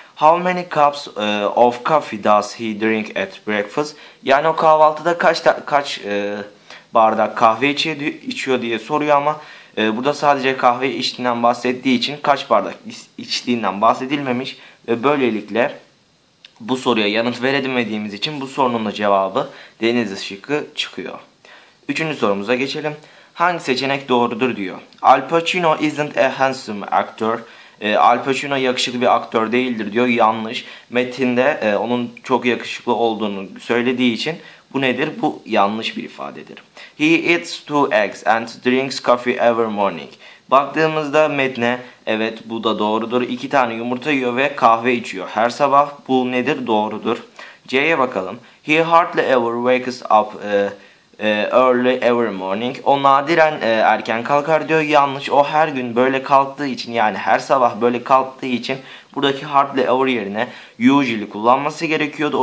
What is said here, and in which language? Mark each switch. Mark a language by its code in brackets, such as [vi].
[en] How many cups of coffee does he drink at breakfast? [tr] Yani o kahvaltıda kaç bardak kahve içiyor diye soruyor ama burada sadece kahve içtiğinden bahsettiği için kaç bardak içtiğinden bahsedilmemiş. Ve böylelikle bu soruya yanıt veremediğimiz için bu sorunun da cevabı deniz ışıkı çıkıyor. Üçüncü sorumuza geçelim. Hangi seçenek doğrudur diyor. [en] Al Pacino isn't a handsome actor. [tr] Al Pacino yakışıklı bir aktör değildir diyor. Yanlış. Metinde onun çok yakışıklı olduğunu söylediği için bu nedir? Bu yanlış bir ifadedir. [en] He eats 2 eggs and drinks coffee every morning. [tr] Baktığımızda metne, evet bu da doğrudur. 2 tane yumurta yiyor ve kahve içiyor her sabah. Bu nedir? Doğrudur. C'ye bakalım. [en] He hardly ever wakes up early every morning. [tr] O nadiren erken kalkar diyor. Yanlış. O her gün böyle kalktığı için, yani her sabah böyle kalktığı için buradaki hardly ever yerine usually kullanması gerekiyordu.